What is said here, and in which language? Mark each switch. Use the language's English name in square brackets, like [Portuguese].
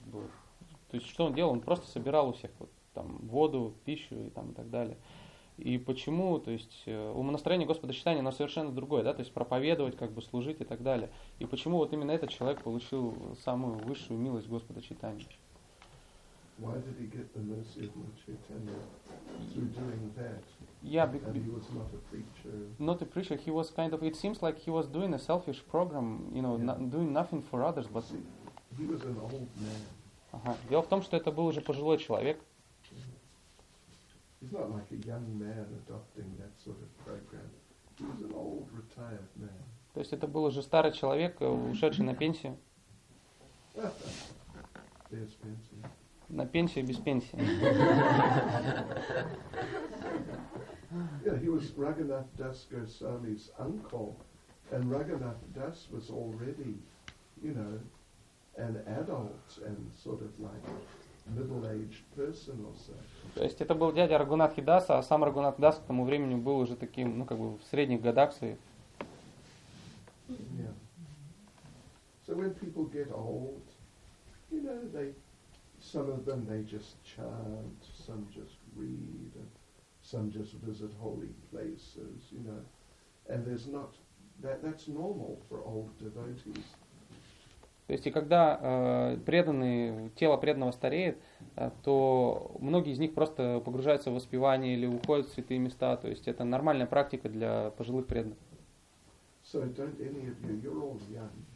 [Russian] То есть, что он делал? Он просто собирал у всех вот, там, воду, пищу и, там, и так далее. И почему? То есть умонастроение Господа Читания, оно совершенно другое, да, то есть проповедовать, как бы служить и так далее. И почему вот именно этот человек получил самую высшую милость Господа Читания? [English] Why did he get the mercy of Lord Chaitanya through doing that? Yeah, and he was not a preacher. Not a preacher. He was kind of. It seems like he was doing a selfish program. You know, doing nothing for others. But see, he was an old man. Uh-huh. [Russian] Дело в том, что это был уже пожилой человек. [English] He's not like a young man adopting that sort of program. He was an old retired man. [Russian] То есть это был уже старый человек, ушедший на пенсию. Без пенсии. На пенсию без пенсии. [English] Yeah, he was Raghunath Das Goswami's uncle, and Raghunath Das was already, you know, an adult and sort of like middle-aged person or so. [Russian] То есть это был дядя Рагунатхи Даса, а сам Рагунат Дас к тому времени был уже таким, ну как бы в средних годах своих. [English] Yeah. So when people get old, you know, they some of them they just chant, some just read, and some just visit holy places, you know. And there's not that that's normal for old devotees. [Russian] То есть, и когда преданные, тело преданного стареет, то многие из них просто погружаются в воспевание или уходят в святые места. То есть это нормальная практика для пожилых преданных. [English] So don't any of you, you're all young.